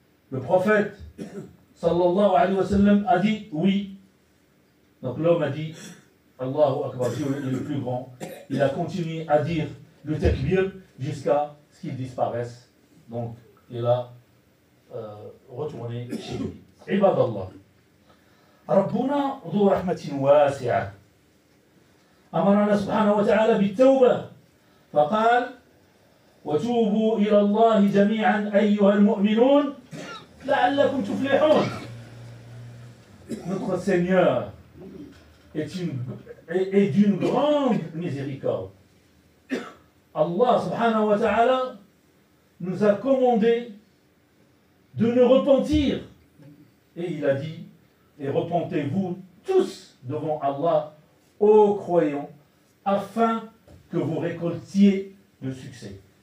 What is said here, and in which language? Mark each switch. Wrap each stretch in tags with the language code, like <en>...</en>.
<fr>Le prophète, sallallahu alayhi wa sallam, a dit oui. Donc l'homme a dit, Allahu Akbar, Dieu est le plus grand. Il a continué à dire le takbir jusqu'à ce qu'il disparaisse. Donc il a retourné chez lui.</fr> <ar>Ibad Allah. ربنا ذو رحمة واسعة أمرنا سبحانه وتعالى بالتوبة فقال وتوبوا إلى الله جميعا أيها المؤمنون لعلكم تفلحون.</ar> <fr>Notre Seigneur est d'une grande miséricorde. Allah سبحانه وتعالى nous a commandé de nous repentir et il a dit et repentez-vous tous devant Allah, ô croyants, afin que vous récoltiez le succès.</fr>